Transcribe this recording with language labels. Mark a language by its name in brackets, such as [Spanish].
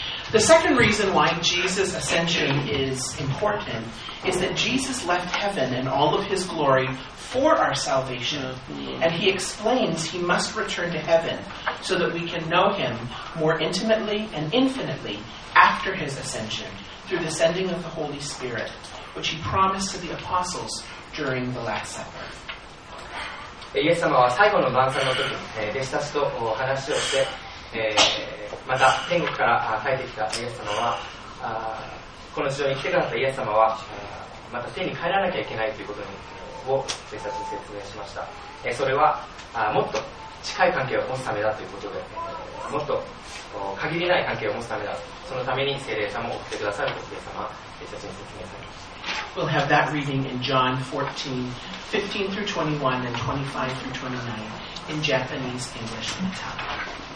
[English] The second reason why Jesus' ascension is important is that Jesus left heaven in all of his glory for our salvation, and he explains he must return to heaven so that we can know him more intimately and infinitely after his ascension through the sending of the Holy Spirit, which he promised to the apostles during the Last Supper. [Japanese] イエス様は最後の晩餐の時に弟子たちと話をして、また天国から帰ってきたイエス様は、この地上に来てくださったイエス様はまた天に帰らなきゃいけないということを弟子たちに説明しました。それはもっと近い関係を持つためだということで、もっと限りない関係を持つためだ、そのために聖霊様を送ってくださるとイエス様は弟子たちに説明されました。 [English] We'll have that reading in John 14, 15 through 21 and 25 through 29 in Japanese, English, and Italian.